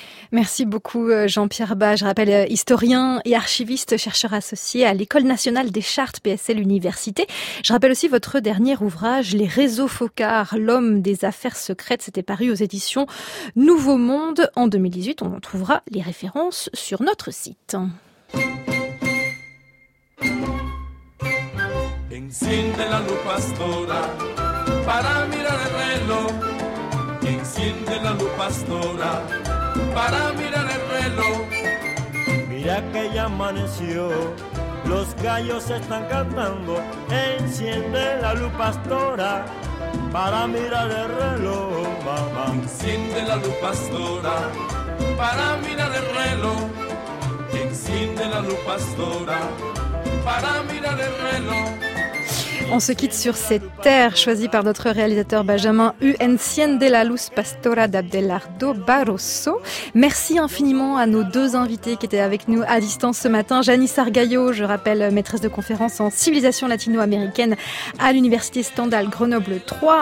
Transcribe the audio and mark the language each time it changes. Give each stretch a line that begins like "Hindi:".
French: Merci beaucoup Jean-Pierre Bas, je rappelle historien et archiviste, chercheur associé à l'École nationale des chartes PSL Université. Je rappelle aussi votre dernier ouvrage, Les réseaux Focard, l'homme des affaires secrètes, c'était paru aux éditions Nouveau Monde en 2018. On en trouvera les références sur notre site.
Spanish: Enciende la luz pastora para mirar el reloj. Enciende la luz pastora para mirar el reloj. Mira que ya amaneció, los gallos están cantando. Enciende la luz pastora para mirar el reloj, mamá. Enciende la luz pastora para mirar el reloj. Enciende la luz pastora para mirar el reloj.
French: On se quitte sur cette terre choisie par notre réalisateur Benjamin U.
Spanish: Enciende la luz pastora
French: d'Abdelardo Barroso. Merci infiniment à nos deux invités qui étaient avec nous à distance ce matin. Janice Argaio, je rappelle, maîtresse de conférence en civilisation latino-américaine à l'université Stendhal Grenoble 3.